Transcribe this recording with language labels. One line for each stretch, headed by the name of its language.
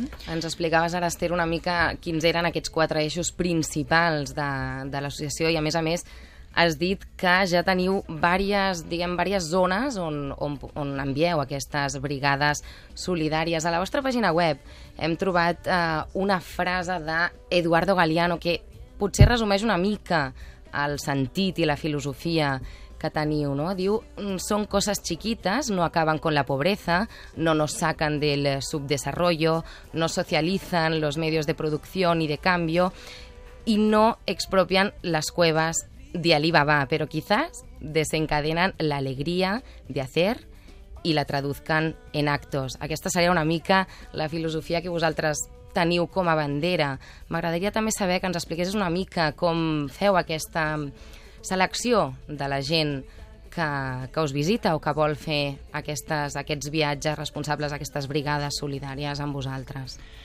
Catalan: Ens explicaves ara, Esther, una mica quins eren aquests quatre eixos principals de l'associació i, a més, has dit que ja teniu diverses, diguem, diverses zones on envieu aquestes brigades solidàries. A la vostra pàgina web hem trobat una frase d'Eduardo Galeano que potser resumeix una mica el sentit i la filosofia que teniu, no?
Spanish: Diu, son cosas chiquitas, no acaban con la pobreza, no nos sacan del subdesarrollo, no socializan los medios de producción y de cambio y no expropian las cuevas de Alibaba, pero quizás desencadenan la alegría de hacer y la traduzcan en actos.
Catalan: Aquesta seria una mica la filosofia que vosaltres teniu com a bandera. M'agradaria també saber que ens expliquessis una mica com feu aquesta selecció de la gent que us visita o que vol fer aquests viatges responsables, aquestes brigades solidàries amb vosaltres.